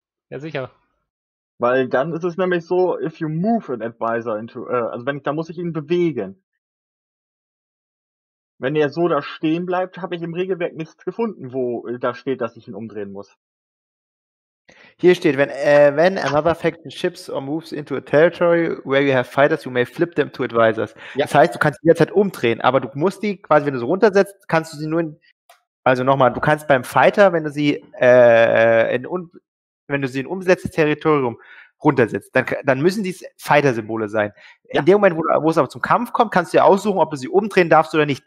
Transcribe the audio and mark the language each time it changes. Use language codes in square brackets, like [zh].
[de] Ja, sicher. Weil dann ist es nämlich so, if you move an advisor into, also wenn ich, da muss ich ihn bewegen. Wenn er so da stehen bleibt, habe ich im Regelwerk nichts gefunden, wo da steht, dass ich ihn umdrehen muss. [en] Hier steht, wenn another faction ships or moves into a territory where you have fighters, you may flip them to advisors. [de] Ja. Das heißt, du kannst die jederzeit umdrehen, aber du musst die quasi, wenn du sie runtersetzt, kannst du sie nur in. Also nochmal, du kannst beim Fighter, wenn du sie in unbesetztes Territorium runtersetzt, dann müssen dies Fighter-Symbole sein. Ja. In dem Moment, wo es aber zum Kampf kommt, kannst du ja aussuchen, ob du sie umdrehen darfst oder nicht.